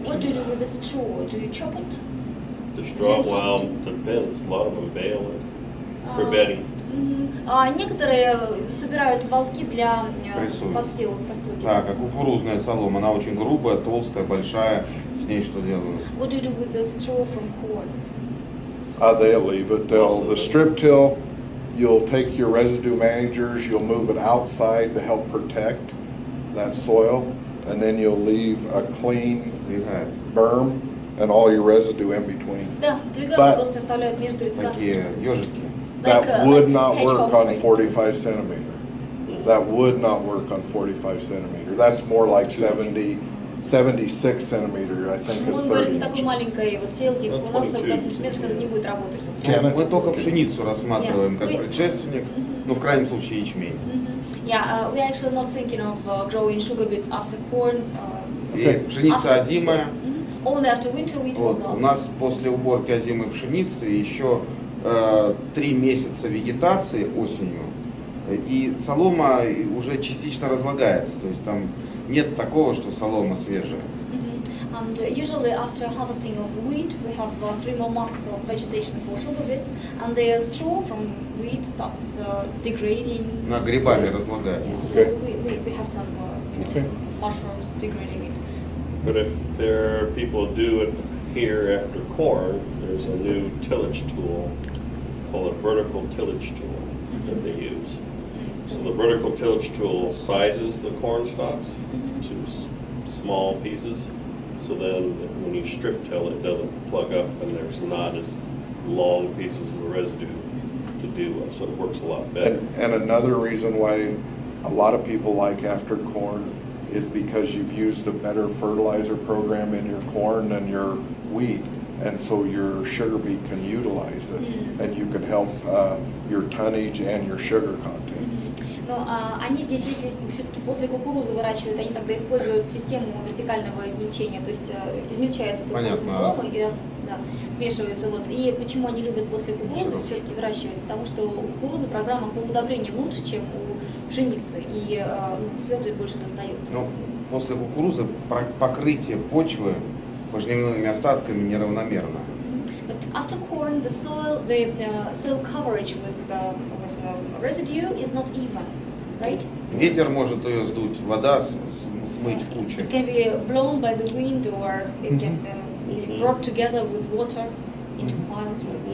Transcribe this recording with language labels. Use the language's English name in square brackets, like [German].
[English] What do you do with the straw? Do you chop it? The straw, well, depends. A lot of them bale it for bedding. [Russian] Некоторые собирают волки для подстилки. Так, а кукурузная солома, она очень грубая, толстая, большая. С ней что делают? [English] What do you do with the straw from corn? They'll leave it. The strip till, you'll take your residue managers, you'll move it outside to help protect that soil. And then you'll leave a clean berm and all your residue in between. But that would not work on 45 centimeter. That would not work on 45 centimeter. That's more like 70, 76 centimeter, I think is 30 inches. [Russian] Мы только пшеницу рассматриваем как предшественник, но в крайнем случае ячмень. [English] Yeah, we're actually not thinking of growing sugar beets after corn. [Russian] Пшеница озимая, [English] only after winter wheat. [Russian] Вот, у нас после уборки озимой пшеницы еще три месяца вегетации осенью, и солома уже частично разлагается, то есть там нет такого, что солома свежая. [English] And usually after harvesting of wheat, we have three more months of vegetation for sugar beets, and the straw from wheat starts degrading. [Russian] На грибами разлагается. [English] Yeah. So we have some mushrooms degrading it. But if there are people who do it here after corn, there's a new tillage tool called a vertical tillage tool that they use. So the vertical tillage tool sizes the corn stalks into small pieces. So then when you strip till, it doesn't plug up and there's not as long pieces of residue to do, so it works a lot better. And another reason why a lot of people like after corn is because you've used a better fertilizer program in your corn than your wheat, and so your sugar beet can utilize it, and you can help your tonnage and your sugar contents. [Russian] Они здесь, если все-таки после кукурузы выращивают, они тогда используют систему вертикального измельчения, то есть измельчается кукурузный слой и смешивается. Вот. И почему они любят после кукурузы все-таки выращивать? Потому что у кукурузы программа по удобрениям лучше, чем у пшеницы, и следует больше достается. Но после кукурузы покрытие почвы пожневными остатками неравномерно. [English] But after corn, the soil, soil coverage with residue is not even, right? [Russian] Ветер может ее сдуть, вода смыть в кучу. [English] It can be blown by the wind, or it can be brought together with water into piles.